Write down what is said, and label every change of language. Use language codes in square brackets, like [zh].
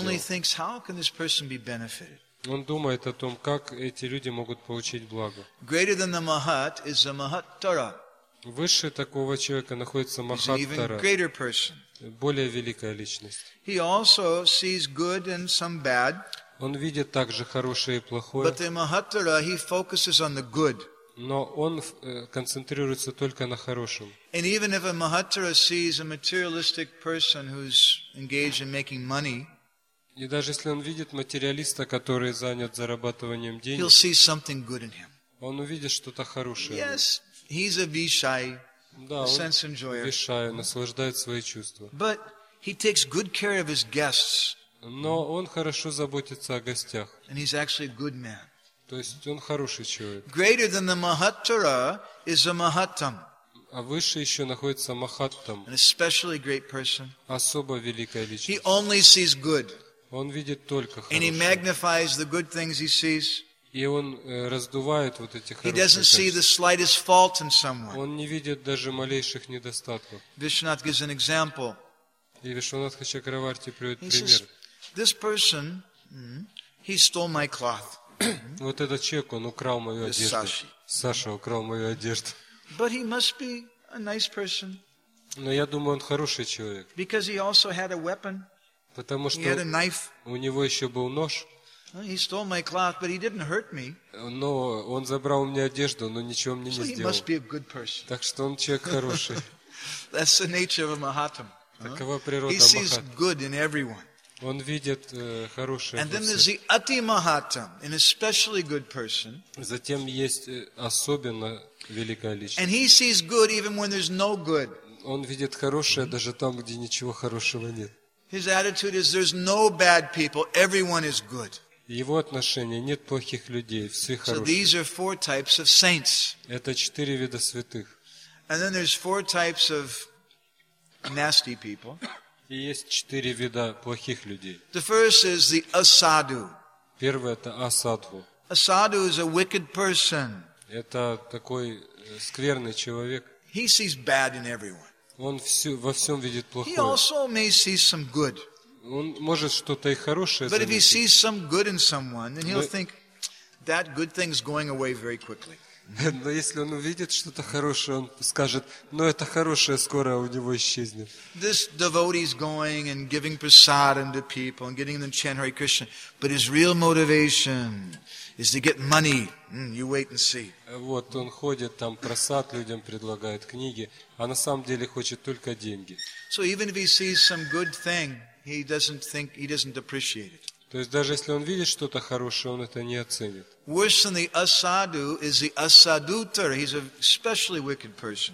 [en] But he only thinks, how can this person be benefited? [ru] Он думает о том, как эти люди могут получить благо. [en] Greater than the Mahat is the Mahattara. [ru] Выше такого человека находится Mahattara. Более великая личность. [en] He also sees good and some bad. [ru] Он видит также хорошее и плохое. [en] But the Mahattara, he focuses on the good. [ru] Но он концентрируется только на хорошем. [en] And even if a Mahattara sees a materialistic person who's engaged in making money, [ru] и даже если он видит материалиста, который занят зарабатыванием денег, он увидит что-то хорошее. [en] Yes, he's a vishai, [ru] да, [en] a sense enjoyer. [ru] Вишай, наслаждает свои чувства. [en] But he takes good care of his guests. [ru] Но он хорошо заботится о гостях. [en] And he's actually a good man. [ru] То есть он хороший человек. [en] Greater than the Mahattara is a Mahattam. [ru] А выше еще находится Махаттам. [en] An especially great person. [ru] Особо великая личность. [en] He only sees good. [ru] Он видит только хорошее. [en] And he magnifies the good things he sees. [ru] И он раздувает вот эти хорошие. [en] He doesn't see the slightest fault in someone. [ru] Он не видит даже малейших недостатков. [en] Vishwanath gives an example. [ru] И Вишванатха Чакраварти приводит [en] he [ru] пример. [en] Says, this person, he stole my cloth. [ru] Вот этот человек, он украл мою одежду. Саша украл мою одежду. [en] But he must be a nice person. [ru] Но я думаю, он хороший человек. [en] Because he also had a weapon. [ru] Потому что у него еще был нож. [en] He stole my cloth, but he didn't hurt me. [ru] Но он забрал у меня одежду, но ничего мне не сделал. [en] So he must be a good person. [ru] Так что он человек хороший. [en] That's the nature of a Mahatam. [ru] Такова природа [en] Mahatam. He sees good in everyone. [ru] Он видит хорошее. [en] And then there's the Ati Mahatam, an especially good person. [ru] Затем есть особенно великая личность. [en] And he sees good even when there's no good. [ru] Он видит хорошее даже там, где ничего хорошего нет. [en] His attitude is there's no bad people, everyone is good. [ru] Его отношение нет плохих людей, все хорошие. [en] So these are four types of saints. [ru] Это четыре вида святых. [en] And then there's four types of nasty people. [ru] И есть четыре вида плохих людей. [en] The first is the asadhu. [ru] Первое это асадху. [en] Asadhu is a wicked person. [ru] Это такой скверный человек. [en] He sees bad in everyone. [ru] Он во всем видит плохое. [en] He also may see some good. [ru] Он может что-то и хорошее заметить. [en] But if he sees some good in someone, then he'll think that good thing's going away very quickly. [ru] Но если он увидит что-то хорошее, он скажет: "Но это хорошее скоро у него исчезнет." [en] This devotee is going and giving prasad to people and getting them to chant Hare Krishna, but his real motivation is to get money. You wait and see. [ru] Вот он ходит там просад людям предлагает книги, а на самом деле хочет только деньги. [en] So even if he sees some good thing, he doesn't think, he doesn't appreciate it. [ru] То есть даже если он видит что-то хорошее, он это не оценит. [en] Worse than the asadhu is the asadhutara. He's an especially wicked person.